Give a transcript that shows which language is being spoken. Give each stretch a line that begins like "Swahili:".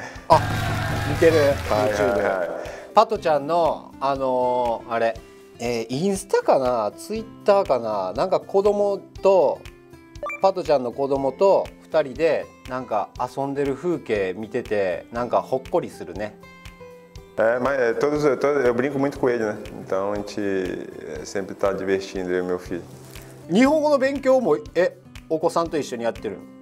Japanese: あ、見てる YouTube、はいはいはい、パトちゃんのあれ、インスタかな、ツイッターかな、なんか子供と、パトちゃんの子供と2人でなんか遊んでる風景見てて、なんかほっこりするね。
Portuguese: todos eu brinco muito com ele, né? Então a gente sempre tá divertindo, eu e meu filho.
Japanese: 日本語の勉強もお子さんと一緒にやってる。